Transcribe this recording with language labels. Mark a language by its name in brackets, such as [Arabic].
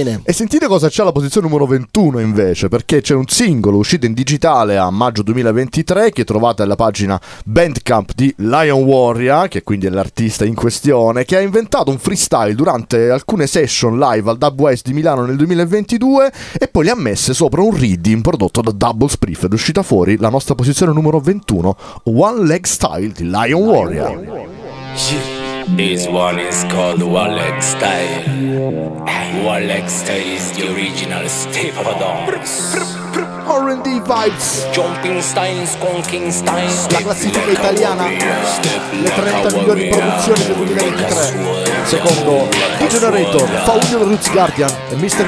[Italian] E sentite cosa c'è alla posizione numero 21 invece, perché c'è un singolo uscito in digitale a maggio 2023 che trovate alla pagina Bandcamp di Lion Warrior, che quindi è l'artista in questione, che ha inventato un freestyle durante alcune session live al Dub West di Milano nel 2022 e poi le ha messe sopra un riddim prodotto da Double Spriff ed uscita fuori la nostra posizione numero 21, One Leg Style di Lion Warrior. [English] This one is called One Leg Style. One Leg Style is the original step of dance. R&D vibes, jumping steins, conking steins. [Italian] La classifica italiana, le 30 migliori produzioni del 2023, secondo D-Generator, Faunion Roots Guardian e Mr.